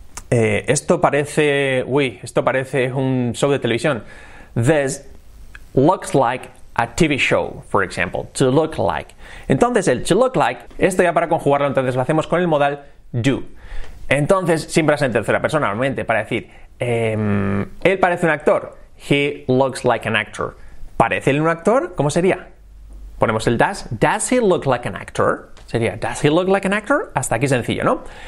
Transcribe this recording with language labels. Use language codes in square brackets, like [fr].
[es] Esto parece, uy, esto parece un show de televisión. [en] This looks like a TV show, for example. To look like. [es] Entonces, el to look like, esto ya para conjugarlo, entonces lo hacemos con el modal do. Entonces, siempre es en tercera persona, normalmente, para decir, él parece un actor. [en] He looks like an actor. [es] ¿Parece él un actor? ¿Cómo sería? Ponemos el [en] does he look like an actor? [es] Sería, [en] does he look like an actor? [es] Hasta aquí sencillo, ¿no?